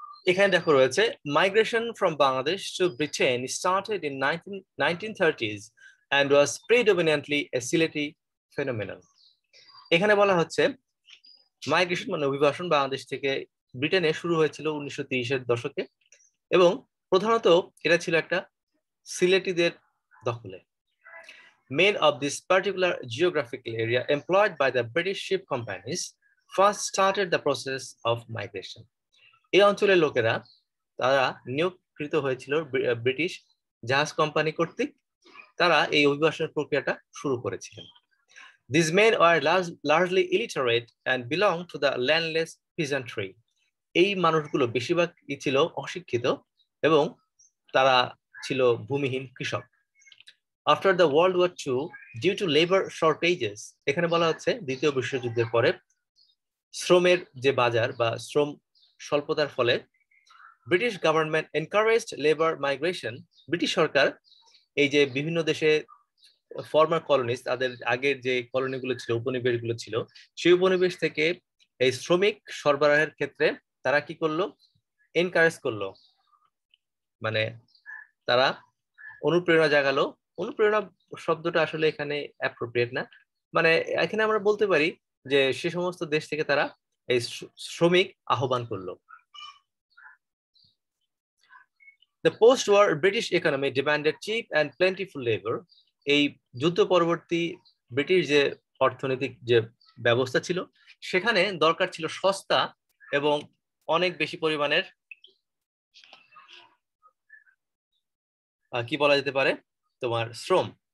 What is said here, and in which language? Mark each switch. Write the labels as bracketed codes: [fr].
[bn] এখানে দেখো রয়েছে, [en] Migration from Bangladesh to Britain started in 1930s and was predominantly a Sylheti phenomenon. [bn] এখানে বলা হচ্ছে মাইগ্রেশন মানে অভিবাসন বাংলাদেশ থেকে ব্রিটেনে শুরু হয়েছিল 1930-এর দশকে, এবং প্রধানত এটা ছিল একটা সিলেটিদের দখলে। [en] Men of this particular geographical area employed by the British ship companies first started the process of migration. [bn] এই অঞ্চলের লোকেরা তারা নিয়োগকৃত হয়েছিল ব্রিটিশ জাহাজ কোম্পানি কর্তৃক, তারা এই অভিবাসন প্রক্রিয়াটা শুরু করেছিলেন। [en] These men were largely illiterate and belonged to the landless peasantry. [bn] এই মানুষগুলো বেশিরভাগই ছিল অশিক্ষিত এবং তারা ছিল ভূমিহীন কৃষক। [en] After the World War II, due to labor shortages, [bn] এখানে বলা হচ্ছে দ্বিতীয় বিশ্বযুদ্ধের পরে শ্রমের যে বাজার বা শ্রম স্বল্পতার ফলে [en] British government encouraged labour migration. [bn] British সরকার এই যে বিভিন্ন দেশে ফর্মার কলোনিস, তাদের আগের যে কলোনিগুলো ছিল, উপনিবেশগুলো ছিল, সেই উপনিবেশ থেকে এই শ্রমিক সরবরাহের ক্ষেত্রে তারা কি করলো, এনকারেজ করলো, মানে তারা অনুপ্রেরণা জাগালো। অনুপ্রেরণা শব্দটা আসলে এখানে অ্যাপ্রোপ্রিয়েট না, মানে এখানে আমরা বলতে পারি যে সে সমস্ত দেশ থেকে তারা এই শ্রমিক আহ্বান করলো। [en] The post-war British economy demanded cheap and plentiful labor. [bn] এই যুদ্ধ পরবর্তী ব্রিটিশ যে অর্থনৈতিক যে ব্যবস্থা ছিল সেখানে দরকার ছিল সস্তা এবং অনেক বেশি পরিমাণের কি বলা যেতে পারে তোমার শ্রম।